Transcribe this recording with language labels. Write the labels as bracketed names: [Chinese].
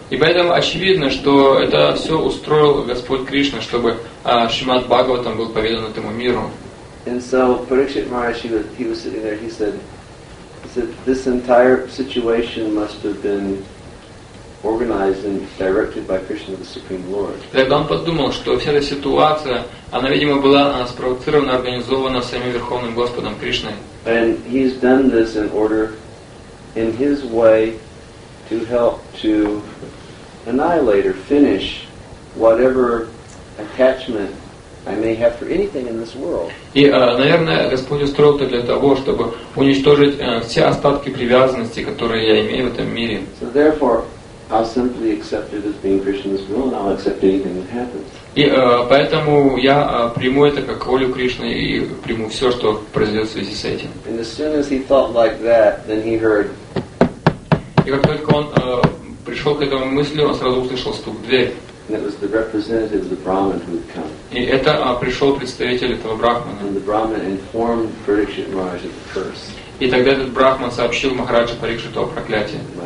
[Russian] И поэтому очевидно, что это все устроил Господь Кришна, чтобы Шримад Бхагаватам был поведан этому миру. [English] And so Parikshit Maharaj, he was sitting there. He said this entire situation must have been organized and directed by Krishna, the Supreme Lord. [Russian] Тогда он подумал, что вся эта ситуация, она, видимо, была спровоцирована, организована самим Верховным Господом Кришной. [English] And he's done this in order, in his way, to help to annihilate or finish whatever attachment I may have for anything in this world. [Russian] И, наверное, Господь устроил это для того, чтобы уничтожить все остатки привязанности, которые я имею в этом мире. [English] So therefore, I'll simply accept it as being Krishna's will, and I'll accept anything that happens. [Russian] И поэтому я приму это как волю Кришны и приму все, что произойдет в связи с этим. [English] And as soon as he thought like that, then he heard. [Russian] И как только он пришел к этому мысли, он сразу услышал стук в дверь. [English] It was the representative of the Brahmin who had come. [Russian] И это пришел представитель этого брахмана. [English] And the Brahmin informed Parikshit Maharaj of the curse. [Russian] И тогда этот брахман сообщил Махараджу Парикшиту о проклятии.